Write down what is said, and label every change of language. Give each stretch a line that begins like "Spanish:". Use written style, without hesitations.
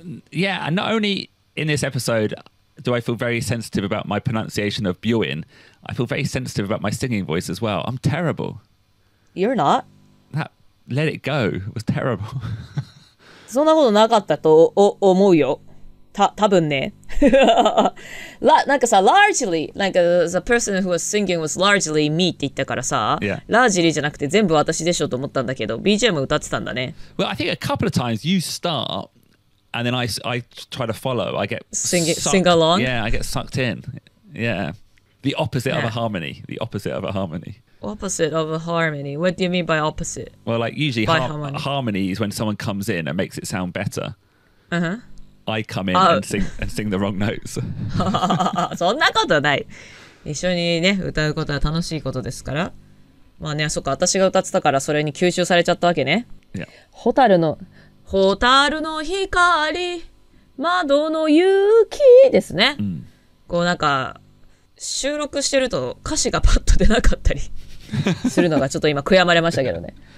English: Yeah, and not only in this episode do I feel very sensitive about my pronunciation of Buin, I feel very sensitive about my singing voice as well. I'm terrible. You're not. That let it go was terrible.
Japanese: そんなことなかったと思うよ。多分ね。なんかさ、largely、なんか
English: the person who was singing was largely me
Japanese: って言ったからさ、
English: yeah.
Japanese: largely じゃなくて全部私でしょと思ったんだけど、BGM 歌ってたんだね。
English: Well, I think a couple of times you start and then I try to follow. I get sing along. Yeah, I get sucked in. Yeah, the opposite、yeah. of a harmony. The opposite of a harmony. Opposite of a harmony. What do you mean by opposite? Well, like usually harmony is when someone comes in and makes it sound better. Uh-huh. I come in and sing the wrong notes.
Japanese: そんなことない。一緒にね、歌うことは楽しいことですから。まあね、そっか、私が歌ってたからそれに吸収されちゃったわけね。
English: Yeah.
Japanese: ホタルの光、窓の雪ですね。 Mm. こうなんか、収録してると歌詞がパッと出なかったりするのがちょっと今悔やまれましたけどね。